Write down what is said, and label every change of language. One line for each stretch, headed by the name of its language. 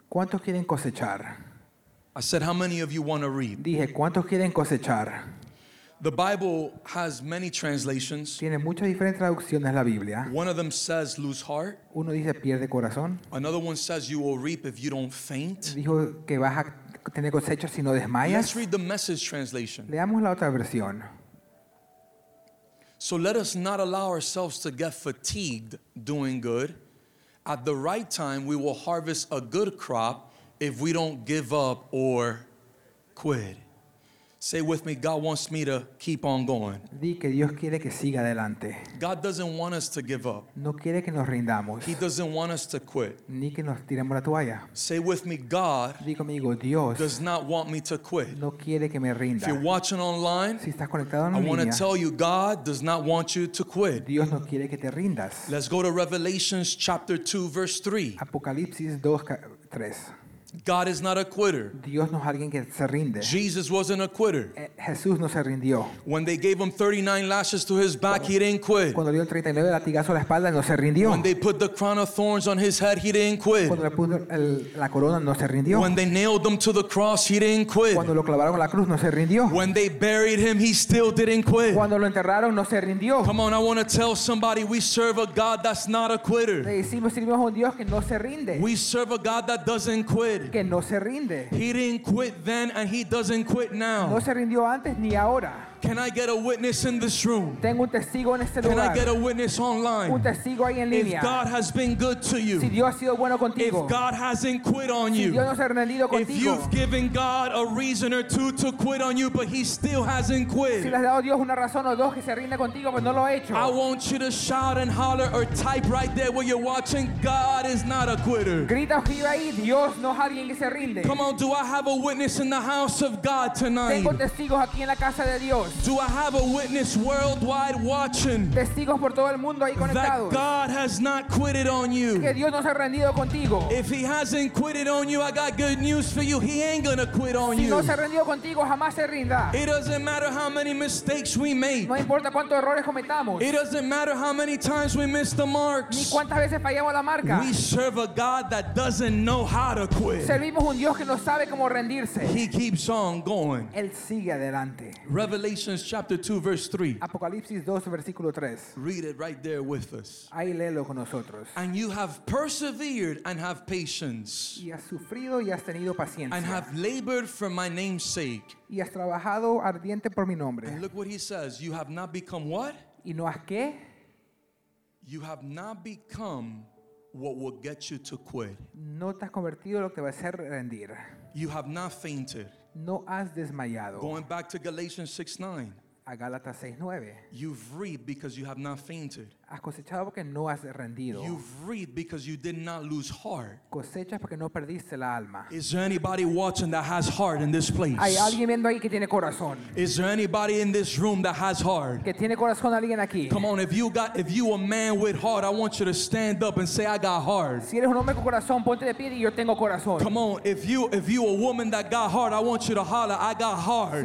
Spanish: ¿Cuántos quieren cosechar?
English: I said, how many of you want to reap?
Spanish: Dije, ¿cuántos quieren cosechar?
English: The Bible has many translations.
Spanish: Tiene muchas diferentes traducciones la Biblia.
English: One of them says, lose heart.
Spanish: Uno dice, pierde corazón.
English: Another one says, you will reap if you don't faint.
Spanish: Dijo que vas a tener cosecha si no desmayas.
English: Let's read the Message translation.
Spanish: Leamos la otra versión.
English: So let us not allow ourselves to get fatigued doing good. At the right time, we will harvest a good crop. If we don't give up or quit. Say with me, God wants me to keep on going.
Spanish: Di que Dios quiere que siga adelante.
English: God doesn't want us to give up.
Spanish: No quiere que nos rindamos.
English: He doesn't want us to quit.
Spanish: Ni que nos tiremos la toalla.
English: Say with me, God.
Spanish: Di conmigo, Dios
English: does not want me to quit.
Spanish: No quiere que me rinda.
English: If you're watching online,
Spanish: si estás conectado en línea,
English: I want to tell you, God does not want you to quit.
Spanish: Dios no quiere que te rindas.
English: Let's go to Revelation chapter 2, verse 3.
Spanish: Apocalipsis 2:3.
English: God is not a quitter.
Spanish: Dios no es alguien que se rinde.
English: Jesus wasn't a quitter.
Spanish: Jesús no se rindió.
English: When they gave him 39 lashes to his back, he didn't quit.
Spanish: Cuando dio 39 latigazos a la espalda, no se rindió.
English: When they put the crown of thorns on his head, he didn't quit.
Spanish: Cuando le puso la corona, no se rindió.
English: When they nailed him to the cross, he didn't quit.
Spanish: Cuando lo clavaron a la cruz, no se rindió.
English: When they buried him, he still didn't quit.
Spanish: Cuando lo enterraron, no se rindió.
English: Come on, I want to tell somebody, we serve a God that's not a quitter.
Spanish: Le decimos, servimos a un Dios que no se rinde.
English: We serve a God that doesn't quit.
Spanish: Que no se rinde.
English: He didn't quit then and he doesn't quit now.
Spanish: No se rindió antes ni ahora.
English: Can I get a witness in this room?
Spanish: Tengo un testigo en este
English: Can
Spanish: lugar.
English: I get a witness online?
Spanish: Un testigo ahí en línea.
English: If God has been good to you,
Spanish: si Dios ha sido bueno contigo,
English: if God hasn't quit on
Spanish: si
English: you,
Spanish: Dios no se ha rendido contigo,
English: if you've given God a reason or two to quit on you, but he still hasn't quit, I want you to shout and holler or type right there where you're watching, God is not a quitter.
Spanish: Grita ahí, Dios no es alguien que se rinde.
English: Come on, do I have a witness in the house of God tonight?
Spanish: Tengo testigos aquí en la casa de Dios.
English: Do I have a witness worldwide watching?
Spanish: Testigos por todo el mundo ahí conectados.
English: That God has not quit on you.
Spanish: Que Dios no se ha rendido contigo.
English: If he hasn't quit on you, I got good news for you. He ain't gonna quit on
Spanish: si
English: you.
Spanish: Si no se ha rendido contigo, jamás se rinda.
English: It doesn't matter how many mistakes we make.
Spanish: No importa cuántos errores cometamos.
English: It doesn't matter how many times we miss the marks.
Spanish: Ni cuántas veces fallamos la marca.
English: We serve a God that doesn't know how to quit.
Spanish: Servimos un Dios que no sabe cómo rendirse.
English: He keeps on going.
Spanish: Él sigue adelante.
English: Revelation chapter 2 verse 3.
Spanish: Apocalipsis 2 versículo 3.
English: Read it right there with us.
Spanish: Ahí léelo con nosotros.
English: And you have persevered and have patience.
Spanish: Y has sufrido y has tenido paciencia.
English: And have labored for my name's sake.
Spanish: Y has trabajado ardiente por mi nombre.
English: And look what he says, you have not become what?
Spanish: ¿Y no has qué?
English: You have not become what will get you to quit.
Spanish: No te has convertido lo que te va a hacer rendir.
English: You have not fainted.
Spanish: No has desmayado.
English: Going back to Galatians 6:9.
Spanish: A Gálatas 6:9.
English: You've reaped because you have not fainted.
Spanish: Has cosechado porque no has rendido.
English: You've reaped because you did not lose heart.
Spanish: Cosechas porque no perdiste la alma.
English: Is there anybody watching that has heart in this place?
Spanish: Hay alguien viendo ahí que tiene corazón.
English: Is there anybody in this room that has heart?
Spanish: Que tiene corazón alguien aquí.
English: Come on, if you a man with heart, I want you to stand up and say, I got heart.
Spanish: Si eres un hombre con corazón, ponte de pie y yo tengo corazón.
English: Come on, if you a woman that got heart, I want you to holler, I got heart.